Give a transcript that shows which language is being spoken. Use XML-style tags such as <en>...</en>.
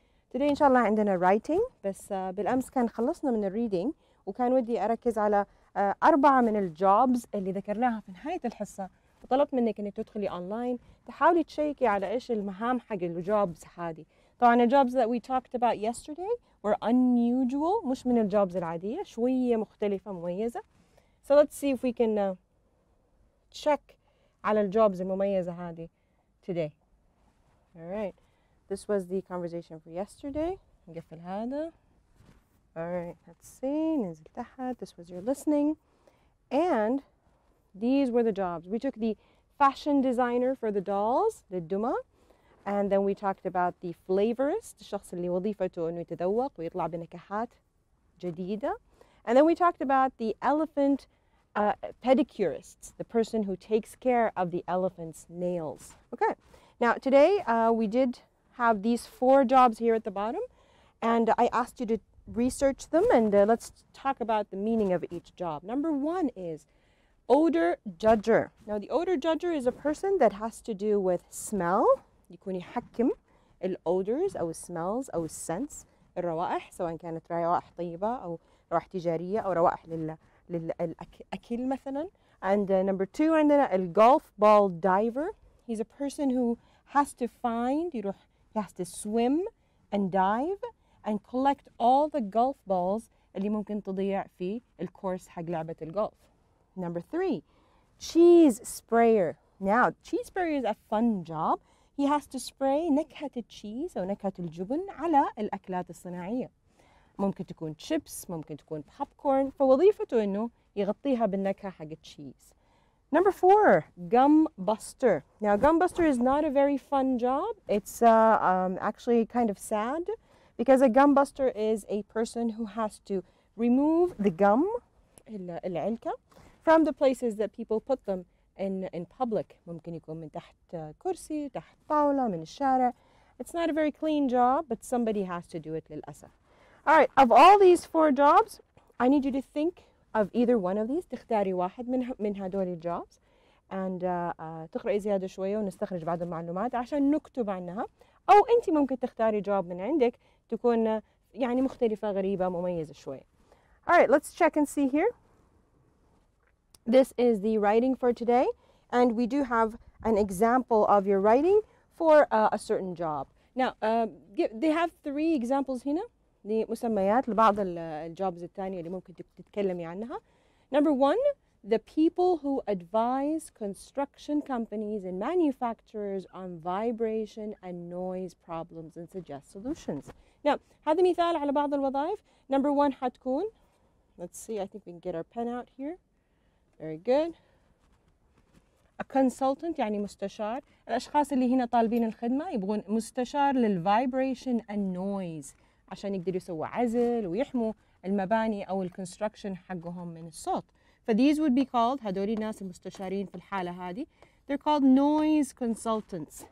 <en>Today</en> <ar>إن شاء الله عندنا writing، بس بالأمس كان خلصنا من الريدينج وكان ودي أركز على أربعة من الجوبز اللي ذكرناها في نهاية الحصة، وطلبت منك إنك تدخلي أونلاين تحاولي تشيكي على إيش المهام حق الجوبز هذه. طبعا الجوبز</ar> <en>that we talked about yesterday were unusual،</en> <ar>مش من الجوبز العادية، شوية مختلفة مميزة.</ar> <en>So let's see if we can check</en> <ar>على الجوبز المميزة هذه</ar> <en>today. Alright, this was the conversation for yesterday.</en> <ar>نقفل هذا.</ar> <en>Alright, let's see.</en> <ar>ننزل تحت.</ar> <en>This was your listening. And these were the jobs. We took the fashion designer for the dolls, the دمى. And then we talked about the flavorist,</en> <ar>الشخص اللي وظيفته انه يتذوق ويطلع بنكهات جديدة.</ar> <en>And then we talked about the elephant pedicurists, the person who takes care of the elephant's nails. Okay, now today we did have these four jobs here at the bottom, and I asked you to research them, and let's talk about the meaning of each job. Number one is odor judger. Now the odor judger is a person that has to do with smell.</en> <ar>يكون يحكم الodors أو smells أو scents الروائح، سواء كانت روائح طيبة أو روائح تجارية أو روائح للأكل مثلا.</ar> <en>And number two عندنا الgolf ball diver. He's a person who has to find, يروح, he has to swim and dive and collect all the golf balls</en> <ar>اللي ممكن تضيع في الكورس حق لعبة</ar> <en>الgolf. Number three, cheese sprayer. Now, cheese sprayer is a fun job. He has to spray</en> <ar>نكهة cheese أو نكهة الجبن على الأكلات الصناعية. ممكن تكون chips، ممكن تكون popcorn، فوظيفته إنه يغطيها بالنكهة حق cheese.</ar> <en>Number four, gum buster. Now, gum buster is not a very fun job. It's actually kind of sad because a gum buster is a person who has to remove the gum, العلكة, from the places that people put them in public.</en> <ar>ممكن يكون من تحت كرسي، تحت طاولة، من الشارع.</ar> <en>It's not a very clean job, but somebody has to do it</en> <ar>للأسف.</ar> <en>All right, of all these four jobs, I need you to think of either one of these.</en> <ar>تختاري واحد من هدول الجوبز. And تقرأي زيادة شوية ونستخرج بعض المعلومات عشان نكتب عنها. أو أنت ممكن تختاري جوب من عندك تكون يعني مختلفة غريبة مميزة شوية.</ar> <en>All right, let's check and see here. This is the writing for today. And we do have an example of your writing for a certain job. Now, they have three examples هنا.</en> <ar>لمسميات لبعض الجوبز الثانية اللي ممكن تتكلمي عنها.</ar> <en>Number one, the people who advise construction companies and manufacturers on vibration and noise problems and suggest solutions.</en> <ar>Now, هذا مثال على بعض الوظائف.</ar> <en>Number one حتكون, let's see, I think we can get our pen out here. Very good. A consultant,</en> <ar>يعني مستشار. الأشخاص اللي هنا طالبين الخدمة يبغون مستشار للvibration and noise. عشان يقدروا يسووا عزل ويحموا المباني أو الكونستراكشن حقهم من الصوت.</ar> <en>فthese would be called,</en> <ar>هدول الناس المستشارين في الحالة هذه,</ar> <en>they're called noise consultants.</en>